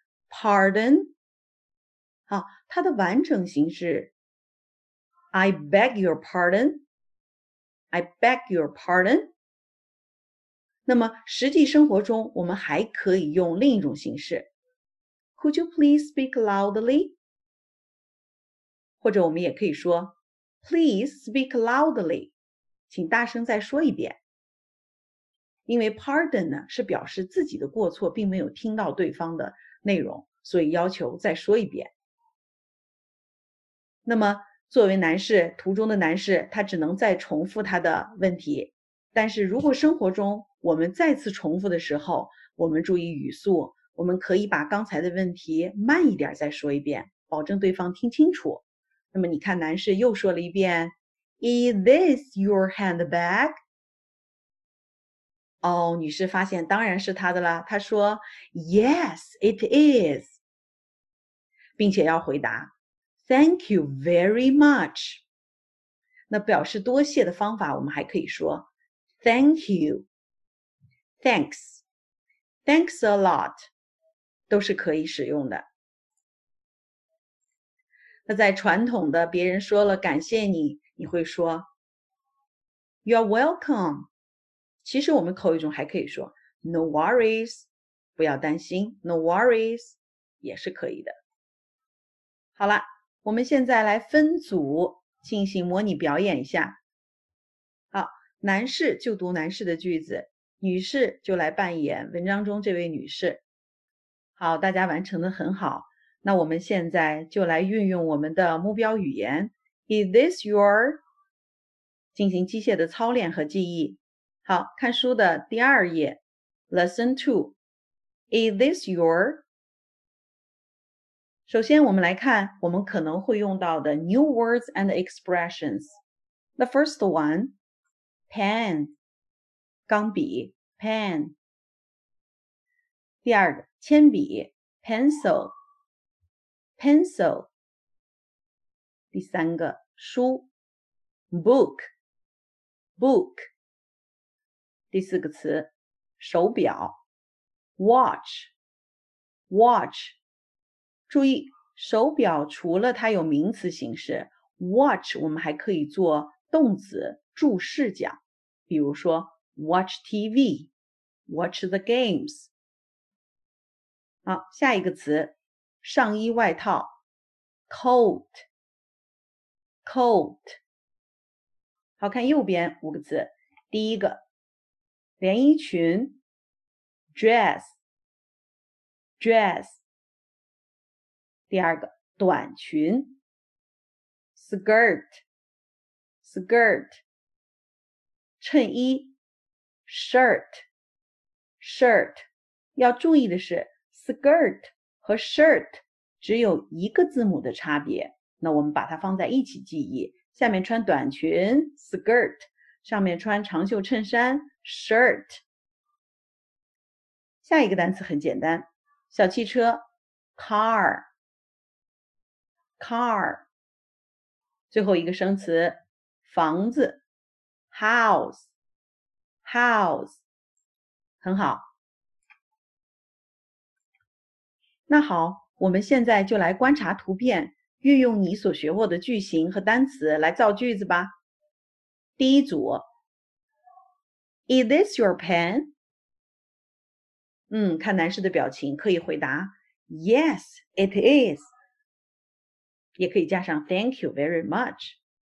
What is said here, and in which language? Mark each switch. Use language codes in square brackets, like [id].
[zh] Pardon? 好它的完整形式 [en] I beg your pardon? I beg your pardon? [zh] 那么实际生活中我们还可以用另一种形式。 [en] Could you please speak loudly? [zh] 或者我们也可以说 [en] Please speak loudly. [zh] 请大声再说一遍。因为 pardon 呢是表示自己的过错并没有听到对方的内容，所以要求再说一遍。那么作为男士，图中的男士他只能再重复他的问题。但是如果生活中我们再次重复的时候，我们注意语速，我们可以把刚才的问题慢一点再说一遍，保证对方听清楚。那么你看男士又说了一遍 [en] Is this your handbag? [zh] 哦，女士发现当然是她的了。她说 [en] ,Yes, it is. [zh] 并且要回答 [en] ,Thank you very much. [zh] 那表示多谢的方法我们还可以说 , [en] Thank you, thanks, thanks a lot, [zh] 都是可以使用的。那在传统的别人说了感谢你，你会说 , [en] You're welcome. [zh] 其实我们口语中还可以说 [en] No worries, [zh] 不要担心 No worries, 也是可以的。好了，我们现在来分组进行模拟表演一下。好，男士就读男士的句子，女士就来扮演文章中这位女士。好，大家完成得很好。那我们现在就来运用我们的目标语言 [en] Is this your? [zh] 进行机械的操练和记忆。好，看书的第二页 ,Lesson 2, [en] Is this your? [zh] 首先我们来看我们可能会用到的 [en] new words and expressions. The first one, pen, [zh] 钢笔 [en] ,pen. [zh] 第二个铅笔 ,pencil, pencil. 第三个书 ,book, book. 第四个词手表 watch, watch. 注意手表除了它有名词形式 watch 我们还可以做动词注释讲，比如说 [en] watch TV, watch the games. [zh] 好，下一个词上衣外套 coat, coat. 好，看右边五个词，第一个连衣裙 dress, dress. 第二个短裙 skirt, skirt. 衬衣 shirt, shirt. 要注意的是 skirt 和 shirt 只有一个字母的差别，那我们把它放在一起记忆，下面穿短裙 skirt, 上面穿长袖衬衫Shirt. 下一个单词很简单，小汽车 Car, Car. 最后一个生词房子 House, House. 很好。那好，我们现在就来观察图片，运用你所学过的句型和单词来造句子吧。第一组 [en] Is this your pen? [zh] 看男士的表情可以回答 [en] Yes, it is. [zh] 也可以加上 [en] Thank you very much.